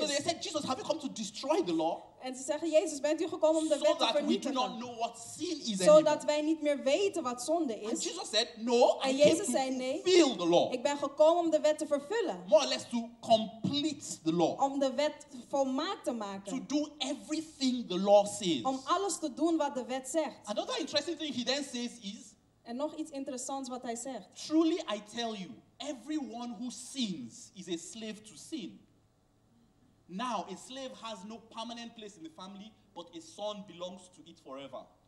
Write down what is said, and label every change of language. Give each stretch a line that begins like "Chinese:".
English: So they said, Jesus, have you come to destroy the law?
Dutch: En ze zeggen, Jezus, bent u gekomen om de wet te vernietigen?
English: So that we do not know what sin is.
Dutch: Zodat wij niet meer weten wat zonde is.
English: And Jesus said, no,
Dutch: en
English: I
Dutch: Jezus
English: came
Dutch: zei,
English: to
Dutch: nee,
English: fulfill the law.
Dutch: Ik ben gekomen om de wet te vervullen.
English: More or less to complete the law.
Dutch: Om de wet volmaakt te maken.
English: To do everything the law says.
Dutch: Om alles te doen wat de wet zegt.
English: Another interesting thing he then says is.
Dutch: En nog iets interessants wat hij zegt.
English: Truly I tell you, everyone who sins is a slave to sin. Now, a slave has no permanent place in the family, but a son belongs to it forever.